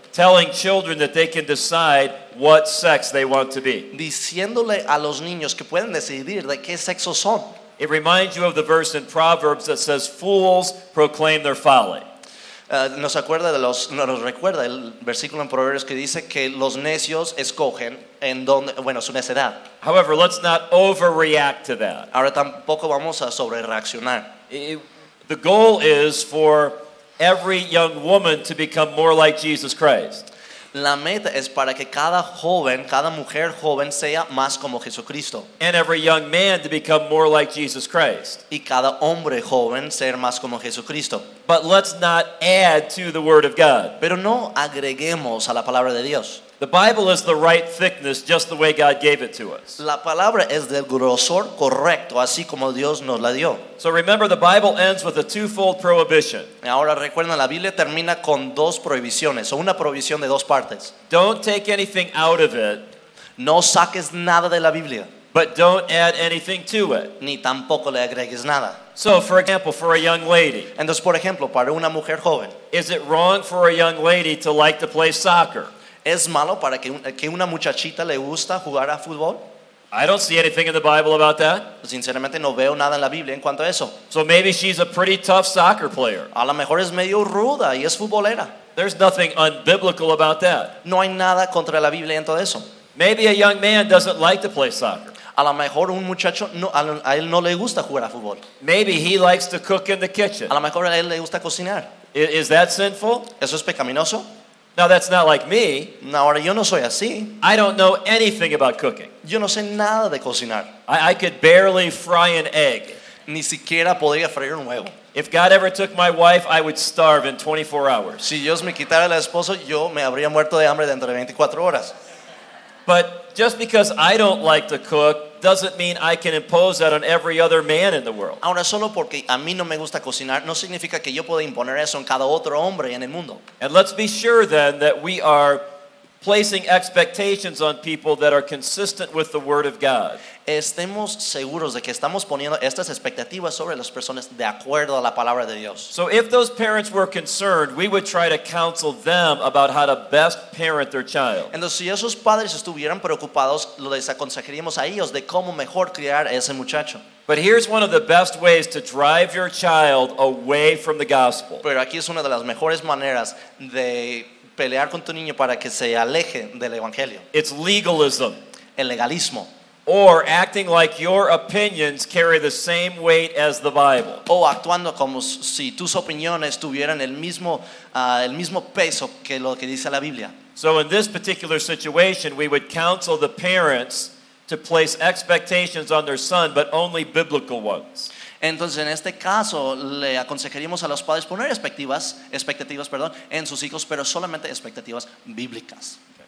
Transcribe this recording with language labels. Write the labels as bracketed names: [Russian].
[English] Telling children that they can decide what sex they want to be. [Spanish] Diciéndole a los niños que pueden decidir de qué sexo son. [English] It reminds you of the verse in Proverbs that says, "Fools proclaim their folly." [Spanish] Nos acuerda de los, nos recuerda el versículo en Proverbios que dice que los necios escogen en donde, bueno, su necedad. [English] However, let's not overreact to that. [Spanish] Ahora tampoco vamos a sobrereaccionar. [English] The goal is for every young woman to become more like Jesus Christ. [Spanish] La meta es para que cada joven, cada mujer joven sea más como Jesucristo. [English] And every young man to become more like Jesus Christ. [Spanish] Y cada hombre joven ser más como Jesucristo. [English] But let's not add to the word of God. [Spanish] Pero no agreguemos a la palabra de Dios. [English] The Bible is the right thickness just the way God gave it to us. [Spanish] La palabra es del grosor correcto, así como Dios nos la dio. [English] So remember, the Bible ends with a twofold prohibition. [Spanish] Ahora recuerden, la Biblia termina con dos prohibiciones, o una prohibición de dos partes. [English] Don't take anything out of it. [Spanish] No saques nada de la Biblia. [English] But don't add anything to it. [Spanish] Ni tampoco le agregues nada. [English] So, for example, for a young lady. [Spanish] Entonces, por ejemplo, para una mujer joven. [English] Is it wrong for a young lady to like to play soccer? [Spanish] ¿Es malo para que una muchachita le gusta jugar a fútbol? [English] I don't see anything in the Bible about that. [Spanish] Sinceramente, no veo nada en la Biblia en cuanto a eso. [English] So maybe she's a pretty tough soccer player. [Spanish] A lo mejor es medio ruda y es futbolera. [English] There's nothing unbiblical about that. [Spanish] No hay nada contra la Biblia en todo eso. [English] Maybe a young man doesn't like to play soccer. [Spanish] A lo mejor un muchacho no, a él no le gusta jugar a fútbol. [English] Maybe he likes to cook in the kitchen. [Spanish] A lo mejor a él le gusta cocinar. [English] Is that sinful? [Spanish] ¿Eso es pecaminoso? [English] Now that's not like me. [Spanish] No, ahora yo no soy así. [English] I don't know anything about cooking. [Spanish] Yo no sé nada de cocinar. [English] I could barely fry an egg. [Spanish] Ni siquiera podría freír un huevo. [English] If God ever took my wife, I would starve in 24 hours. [Spanish] Si Dios me quitara la esposa, yo me habría muerto de hambre dentro de 24 horas. [English] But just because I don't like to cook doesn't mean I can impose that on every other man in the world. [Spanish] Ahora solo porque a mí no me gusta cocinar no significa que yo pueda imponer eso en cada otro hombre en el mundo. [English] And let's be sure then that we are placing expectations on people that are consistent with the word of God. [Spanish] Estemos seguros de que estamos poniendo estas expectativas sobre las personas de acuerdo a la palabra de Dios. [English] So if those parents were concerned, we would try to counsel them about how to best parent their child. [Spanish] Entonces, si esos padres estuvieran preocupados, les aconsejaríamos a ellos de cómo mejor criar a ese muchacho. [English] But here's one of the best ways to drive your child away from the gospel. [Spanish] Pero aquí es una de las mejores maneras de pelear con tu niño para que se aleje del evangelio. [English] It's legalism. [Spanish] El legalismo. [English] Or acting like your opinions carry the same weight as the Bible. [Spanish] O actuando como si tus opiniones tuvieran el mismo peso que lo que dice la Biblia. [English] So in this particular situation, we would counsel the parents to place expectations on their son, but only biblical ones. [Spanish] Entonces, en este caso, le aconsejaríamos a los padres poner expectativas, en sus hijos, pero solamente expectativas bíblicas.